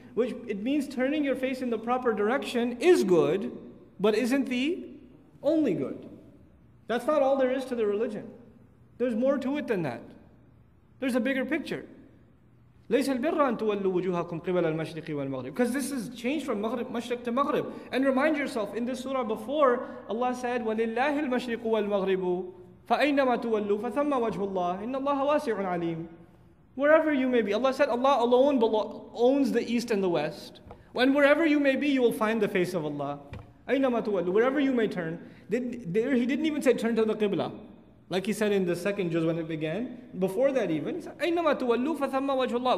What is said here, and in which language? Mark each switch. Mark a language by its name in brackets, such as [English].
[English] Which it means turning your face in the proper direction is good, but isn't the only good. That's not all there is to the religion. There's more to it than that. There's a bigger picture. [Arabic] لَيْسَ الْبِرَّ أَن تُوَلُّوا وُجُوهَكُمْ قِبَلَ الْمَشْرِقِ وَالْمَغْرِبِ. [English] Because this has changed from Mashriq to Maghrib. And remind yourself, in this surah before, Allah said, [Arabic] وَلِلَّهِ الْمَشْرِقُ وَالْمَغْرِبُ فَأَيْنَمَا تُوَلُّوا فَثَمَّ وَجْهُ اللَّهِ إِنَّ اللَّهَ وَاسِعٌ عَلِيمٌ. [English] Wherever you may be, Allah said, Allah alone owns the east and the west. And wherever you may be, you will find the face of Allah. [Arabic] أَيْنَمَا تُوَلُّوا, [English] wherever you may turn. He didn't even say turn to the Qibla. Like he said in the second juz when it began, before that even, [Arabic] أَيْنَمَا تُوَلُّوا فَثَمَّ وَجْهُ اللَّهِ.